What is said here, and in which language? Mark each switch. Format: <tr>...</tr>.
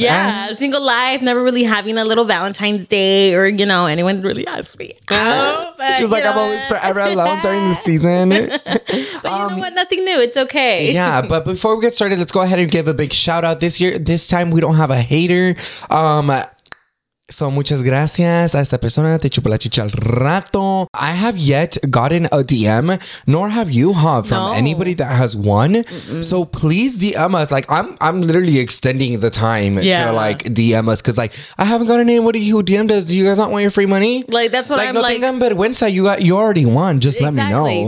<en>Yeah, single life, never really having a little Valentine's Day or, you know, anyone really asked me. She's like, I'm always forever alone during the season. But you know what? Nothing new. It's okay. Yeah, but before we get started, let's go ahead and give a big shout out. This time we don't have a hater.</en> <es>So muchas gracias a esta persona, te chupo la chicha al rato.</es> <en>I have yet gotten a DM, nor have you, huh, from anybody that has won. So please DM us. Like, I'm literally extending the time to, like, DM us. Because, like, I haven't gotten anybody who DM'd us. Do you guys not want your free money? Like, that's what, like, I'm, no, like,</en> <es>tengan vergüenza.</es> <en>You already won. Just let me know.</en>